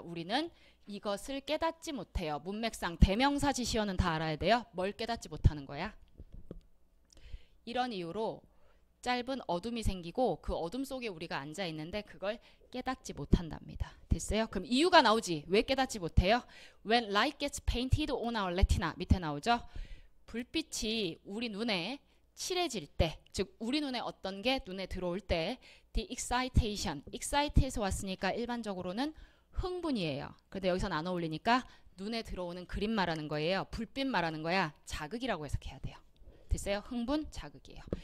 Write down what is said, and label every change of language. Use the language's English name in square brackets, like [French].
[Korean] 우리는 이것을 깨닫지 못해요. 문맥상 대명사 지시어는 다 알아야 돼요. 뭘 깨닫지 못하는 거야? 이런 이유로 짧은 어둠이 생기고 그 어둠 속에 우리가 앉아있는데 그걸 깨닫지 못한답니다. 됐어요? 그럼 이유가 나오지. 왜 깨닫지 못해요? [English] When light gets painted on our retina. [Korean] 밑에 나오죠? 불빛이 우리 눈에 칠해질 때, 즉 우리 눈에 어떤 게 눈에 들어올 때 [English] the excitation, [Korean] excite에서 왔으니까 일반적으로는 흥분이에요. 그런데 여기서는 안 어울리니까 눈에 들어오는 그림 말하는 거예요. 불빛 말하는 거야. 자극이라고 해석해야 돼요. 됐어요? 흥분, 자극이에요.